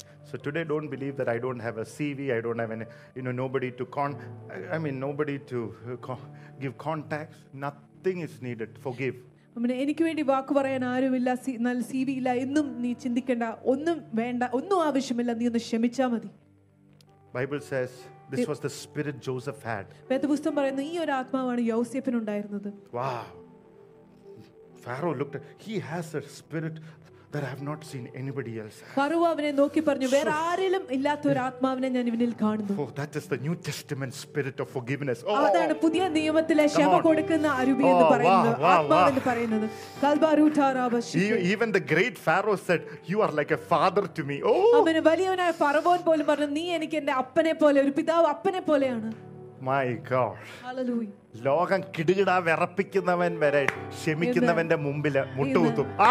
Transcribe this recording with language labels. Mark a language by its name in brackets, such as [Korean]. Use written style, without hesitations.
[English] So today, don't believe that I don't have a CV, I don't have any, you know, nobody to con, I mean, nobody to give contacts. Nothing is needed. Forgive. [Malayalam] അമ്മേ എനിക്ക് വേണ്ടി വാക്ക് പറയാൻ ആരുമില്ല, നല്ല C V ഇല്ല, എന്നും നീ ചിന്തിക്കേണ്ട, ഒന്നും വേണ്ട, ഒന്നും ആവശ്യമില്ല, നീ ഒന്ന് ക്ഷമിച്ചാ മതി. [English] Bible says this was the spirit Joseph had. [Malayalam] വേദപുസ്തകം പറയുന്നു ഈ ഒരു ആത്മാവാണ് യോസേഫിന് ഉണ്ടായിരുന്നത്. Wow. [English] Pharaoh looked, he has a spirit that I have not seen anybody else. [Malayalam] പറുവവനെ നോക്കി പറഞ്ഞു വേറെ ആരിലും ഇല്ലാത്ത ഒരു ആത്മാവിനെ ഞാൻ ഇവനിൽ കാണുന്നു. [English] Oh, that is the New Testament spirit of forgiveness. [Malayalam] Oh, അതാണ് പുതിയ നിയമത്തിലെ ക്ഷമ കൊടുക്കുന്ന അരുവി എന്ന് പറയുന്നു. ആത്മാവ് എന്ന് പറയുന്നു. കൽബാരൂതാരാബശി. [English] Even the great Pharaoh said, you are like a father to me. Oh, [Malayalam] അവനെ വലിയവനായ ഫറവോൻ പോലും പറഞ്ഞു നീ എനിക്ക് എൻ്റെ അപ്പനെ പോലെ, ഒരു പിതാവ് അപ്പനെ പോലെയാണ്. [English] My God. Hallelujah. [Malayalam] ലോകം കിടുകിട വിറപ്പിക്കുന്നവൻ വരെ ക്ഷമിക്കുന്നവന്റെ മുമ്പില് മുട്ടുകുത്തും.